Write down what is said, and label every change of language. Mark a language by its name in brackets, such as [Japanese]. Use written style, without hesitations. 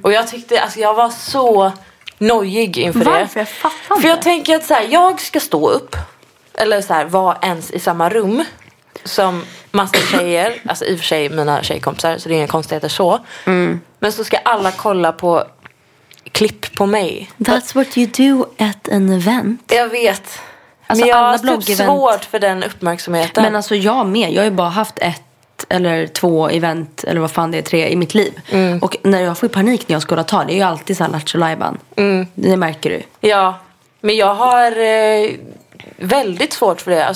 [Swedish] Och jag tyckte, alltså jag var så nojig inför varför? Det. Varför? Jag fattar. För jag tänker att så här, jag ska stå upp. Eller så här, vara ens i samma rum. Som massa tjejer. Alltså i och för sig mina tjejkompisar. Så det är inga konstigheter så. Mm. Men så ska alla kolla på klipp på mig. [English] That's what you do at an event. [Swedish] Jag vet. Alltså, men jag har blogg-event. Typ svårt för den uppmärksamheten. Men alltså jag med. Jag har ju bara haft ett eller två event. Eller vad fan det är, tre i mitt liv. Mm. Och när jag får i panik när jag ska ta. Det är ju alltid så här lattjolajban. Mm. Det märker du. Ja. Men jag har väldigt svårt för det.